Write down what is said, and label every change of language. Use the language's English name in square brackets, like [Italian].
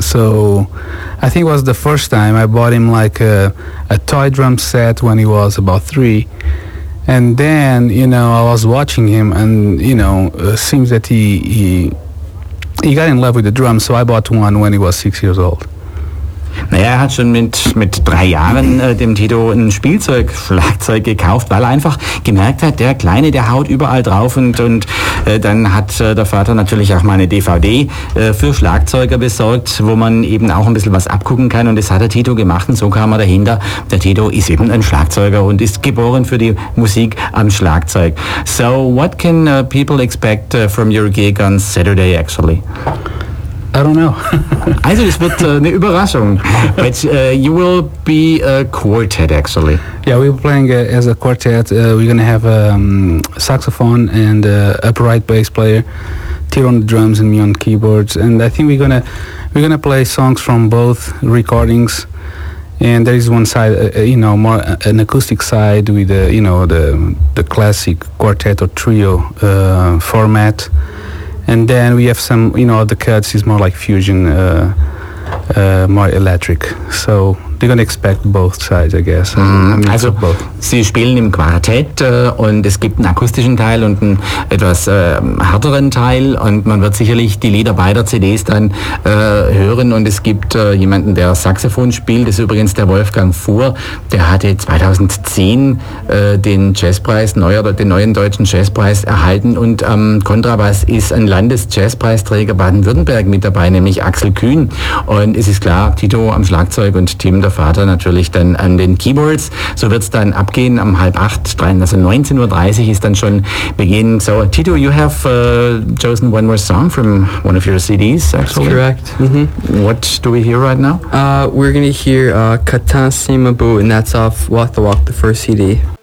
[English] So I think it was the first time I bought him like a toy drum set when he was about 3. And then, you know, I was watching him, and, you know, seems that he got in love with the drums, so I bought one when he was 6 years old. [German] Naja, er hat schon mit 3 Jahren dem Tito ein Schlagzeug gekauft, weil er einfach gemerkt hat, der Kleine, der haut überall drauf und dann hat der Vater natürlich auch mal eine DVD für Schlagzeuger besorgt, wo man eben auch ein bisschen was abgucken kann und das hat der Tito gemacht und so kam er dahinter. Der Tito ist eben ein Schlagzeuger und ist geboren für die Musik am Schlagzeug. [English] So, what can people expect from your gig on Saturday actually? I don't know. [German] Also, es wird eine Überraschung. [English] But you will be a quartet, actually. Yeah, we're playing as a quartet. We're going to have a saxophone and an upright bass player, Tiro on the drums and me on keyboards. And I think we're gonna play songs from both recordings. And there is one side, you know, more an acoustic side with, you know, the classic quartet or trio format. And then we have some, you know, the cuts is more like fusion, more electric. So they're going to expect both sides, I guess. Also, both. [German] Sie spielen im Quartett und es gibt einen akustischen Teil und einen etwas härteren Teil. Und man wird sicherlich die Lieder beider CDs dann hören. Und es gibt jemanden, der Saxophon spielt. Das ist übrigens der Wolfgang Fuhr. Der hatte 2010 den Jazzpreis, den neuen deutschen Jazzpreis erhalten. Und Kontrabass ist ein Landesjazzpreisträger Baden-Württemberg mit dabei, nämlich Axel Kühn. Und es ist klar, Tito am Schlagzeug und Tim, der Vater, natürlich dann an den Keyboards. So wird es dann abgehen am 8:30, also 19.30 Uhr ist dann schon Beginn. [English] So, Tito, you have chosen one more song from one of your CDs, actually. That's correct. Mm-hmm. What do we hear right now? We're going to hear Katan Simabu, and that's off Walk the Walk, the first CD.